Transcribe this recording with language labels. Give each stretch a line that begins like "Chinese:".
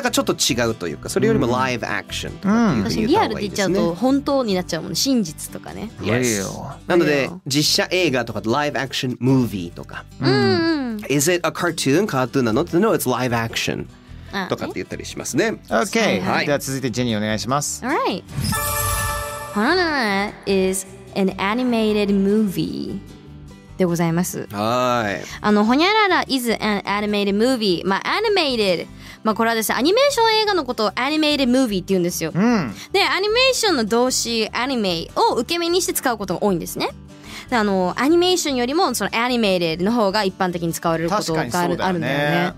Japanese: んかちょっと違うというか、それよりも
English: Live Action
Japanese: とかっていう、リアルって言っちゃうと本当になっちゃうもん、ね、真実とかね、
English: yes、
Japanese: なので実写映画とか
English: Live Action Movie
Japanese: とか、うん、
English: Is it a cartoon?
Japanese: カートゥーンなの？
English: No, it's live action
Japanese: とかって言ったりしますね。 OK、 はい、では続いてジェニーお願いします。
English: Alright, Hanana is an animated movie
Japanese: でございます。はい、あのホニャララ
English: is an animated movie、
Japanese: まあ animated、 まあこれはですねアニメーション映画のことを animated movie って言うんですよ、うん、でアニメーションの動詞 anime を受け身にして使うことが多いんですね。あのアニメーションよりもそのアニメーテッドの方が一般的に使われることがある、ね、あるんだよね、